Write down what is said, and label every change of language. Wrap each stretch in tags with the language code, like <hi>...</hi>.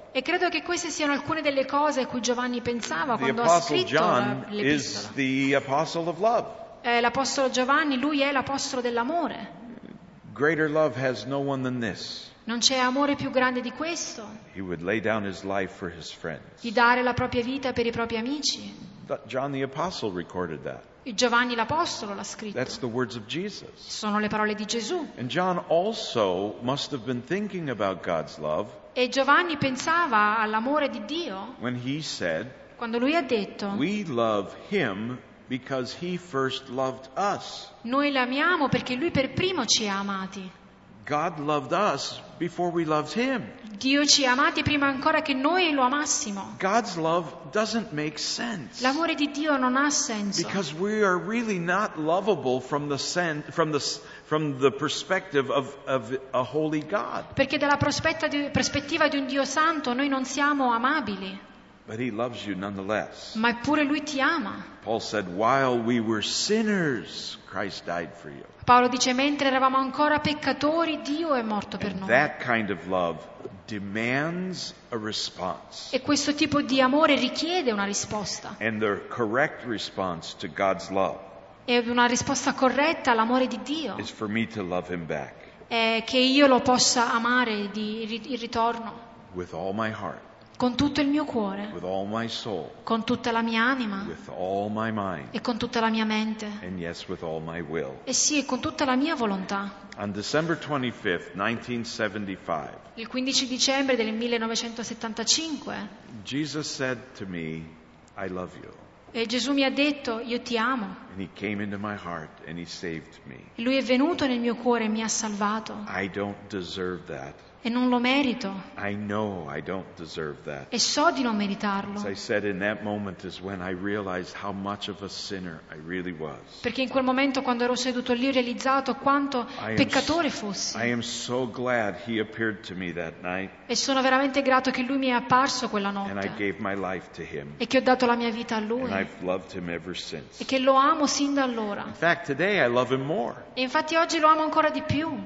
<it>E credo che queste siano alcune delle cose a cui Giovanni pensava quando ha scritto l'epistola.</it> <en>The apostle John is the apostle of love.</en> <it>L'apostolo Giovanni, lui è l'apostolo dell'amore.</it> <en>Greater love has no one than this.</en> <it>Non c'è amore più grande di questo.</it> <en>He would lay down his life for his friends.</en> <it>Di dare la propria vita per i propri amici.</it> <en>But John the apostle recorded that.</en> <it>Giovanni l'Apostolo l'ha scritto.</it> <en>That's the words of Jesus.</en> <it>Sono le parole di Gesù.</it> <en>And John also must have been thinking about God's love.</en> <it>E Giovanni pensava all'amore di Dio.</it> <en>When he said,</en> <it>quando lui ha detto,</it> <en>we love Him because He first loved us.</en> <it>Noi l'amiamo perché Lui per primo ci ha amati.</it> <en>God loved us before we loved Him.</en> <it>Dio ci ha amati prima ancora che noi lo amassimo.</it> <en>God's love doesn't make sense.</en> <it>L'amore di Dio non ha senso.</it> <en>Because we are really not lovable from the perspective of a holy God.</en> <it>Perché dalla prospettiva di un Dio santo noi non siamo amabili.</it> <en>But he loves you nonetheless.</en> <it>Ma eppure lui ti ama.</it> <en>Paul said, while we were sinners, Christ died for you.</en> <it>Paolo dice, mentre eravamo ancora peccatori, Dio è morto per noi.</it> <en>That kind of love demands a response.</en> <it>E questo tipo di amore richiede una risposta.</it> <en>And the correct response to God's love.</en> <it>E una risposta corretta all'amore di Dio.</it> <en>Is for me to love him back.</en> <it>È che io lo possa amare di ritorno.</it> <en>With all my heart.</en> <it>Con tutto il mio cuore,</it> <en>with all my soul,</en> <it>con tutta la mia anima,</it> <en>with all my mind,</en> <it>e con tutta la mia mente,</it> <en>and yes, with all my will.</en> <it>E sì, con tutta la mia volontà.</it> <en>On December 25th, 1975,</en> <it>il 15 dicembre del 1975,</it> <en>Jesus said to me, I love you.</en> <it>E Gesù mi ha detto, io ti amo.</it> <en>And he came into my heart and he saved me.</en> <it>E lui è venuto nel mio cuore e mi ha salvato.</it> <en>I don't deserve that.</en> <it>E non lo merito.</it> <en>I know I don't deserve that.</en> <it>E so di non meritarlo.</it> <en>As I said, in that moment is when I realized how much of a sinner I really was.</en> <it>Perché in quel momento, quando ero seduto lì, ho realizzato quanto peccatore fossi.</it> <en>I am so glad he appeared to me that night.</en> <it>E sono veramente grato che lui mi è apparso quella notte.</it> <en>And I gave my life to him.</en> <it>E che ho dato la mia vita a lui.</it> <en>And I've loved him ever since.</en> <it>E che lo amo sin da allora.</it> <en>In fact, today I love him more.</en> <it>E infatti oggi lo amo ancora di più.</it>